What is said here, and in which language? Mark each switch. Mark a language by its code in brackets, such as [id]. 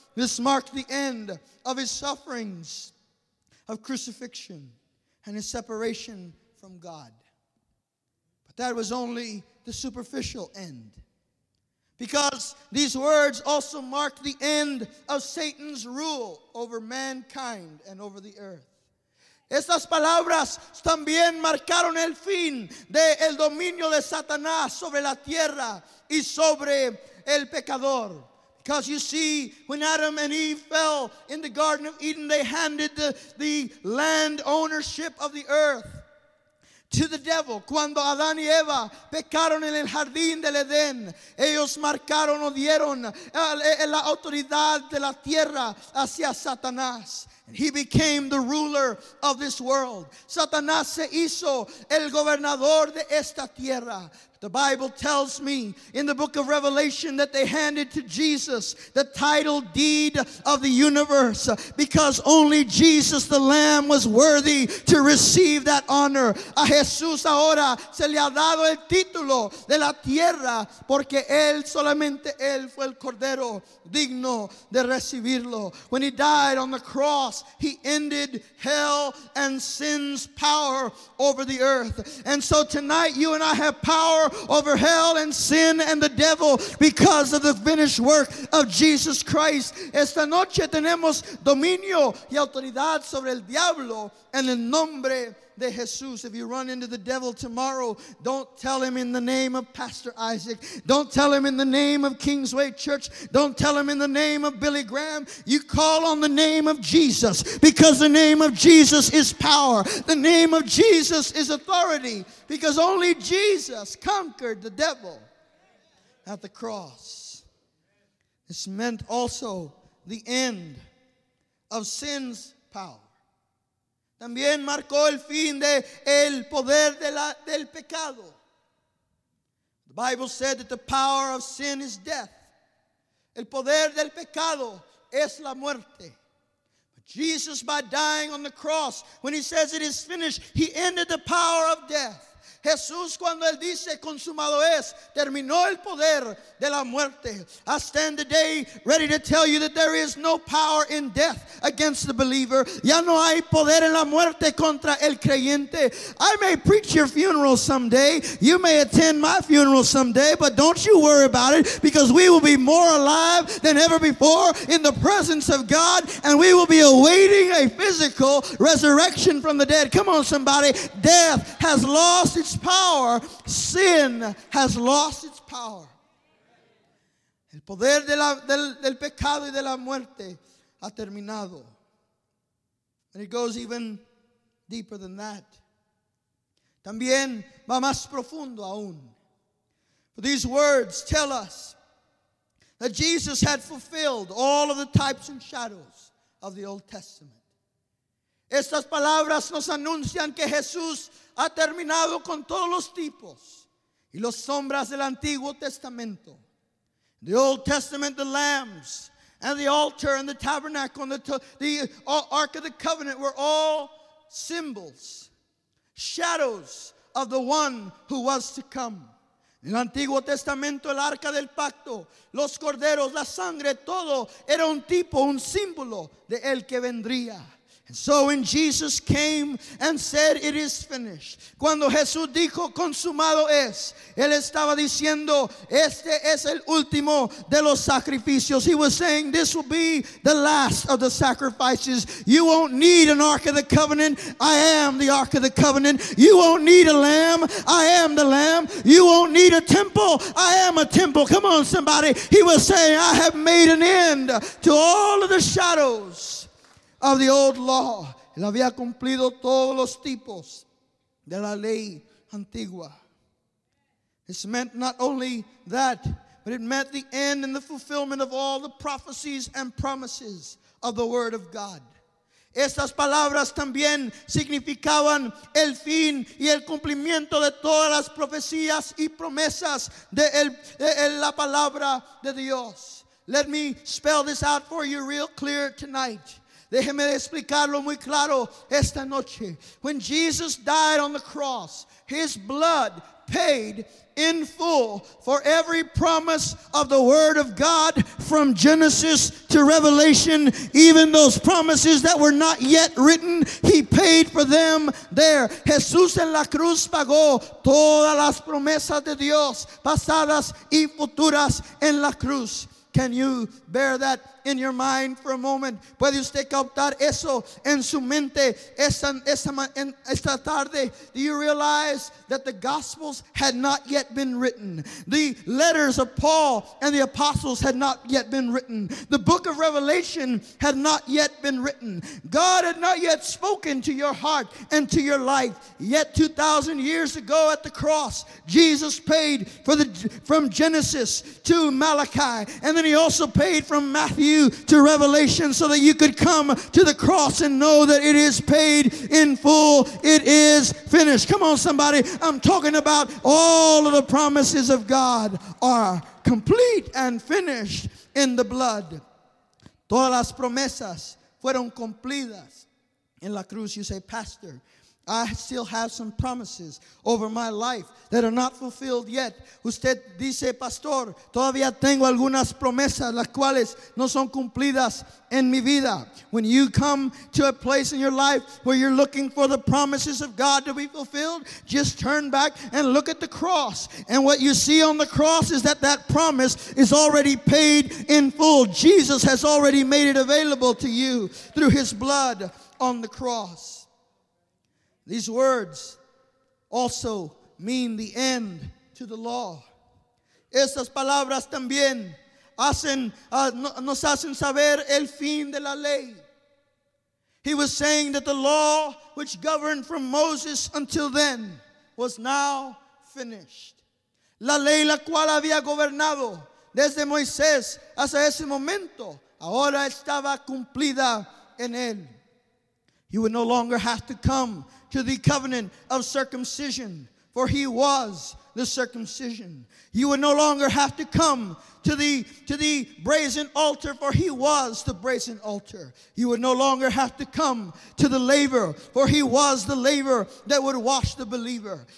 [en] This marked the end of his sufferings, of crucifixion, and his separation from God. But that was only the superficial end, because these words also marked the end of Satan's rule over mankind and over the earth. [es] Estas palabras también marcaron el fin del dominio de Satanás sobre la tierra y sobre el pecador. [en] Because you see, when Adam and Eve fell in the Garden of Eden, they handed the land ownership of the earth to the devil. [es] Cuando Adán y Eva pecaron en el jardín del Edén, ellos marcaron o dieron la autoridad de la tierra hacia Satanás. [en] He became the ruler of this world. [es] Satanás se hizo el gobernador de esta tierra. [en] The Bible tells me in the book of Revelation that they handed to Jesus the title deed of the universe, because only Jesus the Lamb was worthy to receive that honor. [es] A Jesús ahora se le ha dado el título de la tierra, porque él, solamente él, fue el cordero digno de recibirlo. [en] When he died on the cross, he ended hell and sin's power over the earth. And so tonight you and I have power over hell and sin and the devil because of the finished work of Jesus Christ. [es] Esta noche tenemos dominio y autoridad sobre el diablo en el nombre de Jesús. [en] If you run into the devil tomorrow, don't tell him in the name of Pastor Isaac. Don't tell him in the name of Kingsway Church. Don't tell him in the name of Billy Graham. You call on the name of Jesus, because the name of Jesus is power. The name of Jesus is authority, because only Jesus conquered the devil at the cross. This meant also the end of sin's power. [es] También marcó el fin de el poder de la, del pecado. [en] The Bible said that the power of sin is death. [es] El poder del pecado es la muerte. [en] But Jesus, by dying on the cross, when he says it is finished, he ended the power of death. [es] Jesús, cuando él dice consumado es, terminó el poder de la muerte. [en] I stand today ready to tell you that there is no power in death against the believer. [es] Ya no hay poder en la muerte contra el creyente. [en] I may preach your funeral someday. You may attend my funeral someday, but don't you worry about it, because we will be more alive than ever before in the presence of God, and we will be awaiting a physical resurrection from the dead. Come on, somebody. Death has lost its power. Sin has lost its power. [es] El poder de la, del pecado y de la muerte ha terminado. [en] And it goes even deeper than that. [es] También va más profundo aún. [en] For these words tell us that Jesus had fulfilled all of the types and shadows of the Old Testament. [es] Estas palabras nos anuncian que Jesús ha terminado con todos los tipos y los sombras del Antiguo Testamento. [en] The Old Testament, the lambs, and the altar, and the tabernacle, and the Ark of the Covenant were all symbols, shadows of the one who was to come. [es] El Antiguo Testamento, el Arca del Pacto, los corderos, la sangre, todo era un tipo, un símbolo de el que vendría. [en] And so when Jesus came and said, it is finished. [es] Cuando Jesús dijo, consumado es. Él estaba diciendo, este es el último de los sacrificios. [en] He was saying, this will be the last of the sacrifices. You won't need an Ark of the Covenant. I am the Ark of the Covenant. You won't need a lamb. I am the lamb. You won't need a temple. I am a temple. Come on, somebody. He was saying, I have made an end to all of the shadows of the old law. [es] Él había cumplido todos los tipos de la ley antigua. [en] This meant not only that, but it meant the end and the fulfillment of all the prophecies and promises of the Word of God. [es] Estas palabras también significaban el fin y el cumplimiento de todas las profecías y promesas de la palabra de Dios. [en] Let me spell this out for you real clear tonight. [es] Déjeme explicarlo muy claro esta noche. [en] When Jesus died on the cross, his blood paid in full for every promise of the Word of God from Genesis to Revelation, even those promises that were not yet written, he paid for them there. [es] Jesús en la cruz pagó todas las promesas de Dios, pasadas y futuras en la cruz. [en] Can you bear that in your mind for a moment? [es] ¿Puede usted captar eso en su mente esta tarde? [en] Do you realize that the Gospels had not yet been written? The letters of Paul and the apostles had not yet been written. The book of Revelation had not yet been written. God had not yet spoken to your heart and to your life. Yet 2,000 years ago at the cross, Jesus paid for from Genesis to Malachi. And then he also paid from Matthew to Revelation so that you could come to the cross and know that it is paid in full. It is finished. Come on, somebody. I'm talking about all of the promises of God are complete and finished in the blood. [es] Todas las promesas fueron cumplidas en la cruz. [en] You say, Pastor, I still have some promises over my life that are not fulfilled yet. [es] Usted dice, Pastor, todavía tengo algunas promesas las cuales no son cumplidas en mi vida. [en] When you come to a place in your life where you're looking for the promises of God to be fulfilled, just turn back and look at the cross. And what you see on the cross is that promise is already paid in full. Jesus has already made it available to you through his blood on the cross. These words also mean the end to the law. [es] Estas palabras también nos hacen saber el fin de la ley. [en] He was saying that the law which governed from Moses until then was now finished. [es] La ley la cual había gobernado desde Moisés hasta ese momento, ahora estaba cumplida en él. [en] He would no longer have to come to the covenant of circumcision, for he was the circumcision. You would no longer have to come to the brazen altar, for he was the brazen altar. You would no longer have to come to the laver, for he was the laver that would wash the believer.